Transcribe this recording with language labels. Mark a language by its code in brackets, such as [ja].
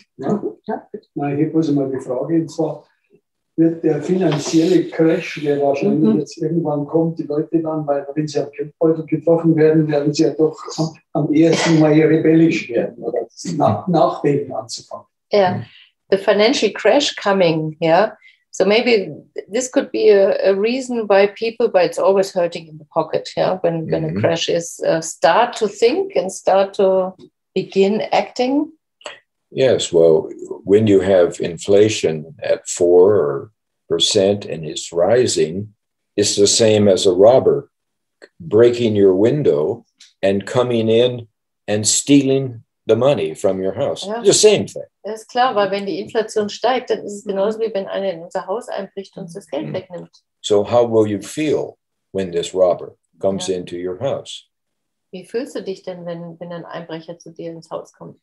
[de] Nein, hier muss ich mal die Frage, und zwar wird der finanzielle Crash, der wahrscheinlich jetzt irgendwann kommt, die Leute dann, weil wenn sie am Geldbeutel getroffen werden, werden sie ja doch am ersten Mal rebellisch werden, oder nachdenken anzufangen. [en] Ja, yeah. The financial crash coming, yeah. So maybe this could be a reason why people, but it's always hurting in the pocket, yeah, when a crash is, start to think and start to begin acting. Yes, well, when you have inflation at 4% and it's rising, it's the same as a robber breaking your window and coming in and stealing the money from your house. Ja. The same thing. [de] Das ist klar, weil wenn die Inflation steigt, dann ist es genauso wie wenn einer in unser Haus einbricht und uns das Geld wegnimmt. [en] So how will you feel when this robber comes into your house? [de] Wie fühlst du dich denn, wenn ein Einbrecher zu dir ins Haus kommt?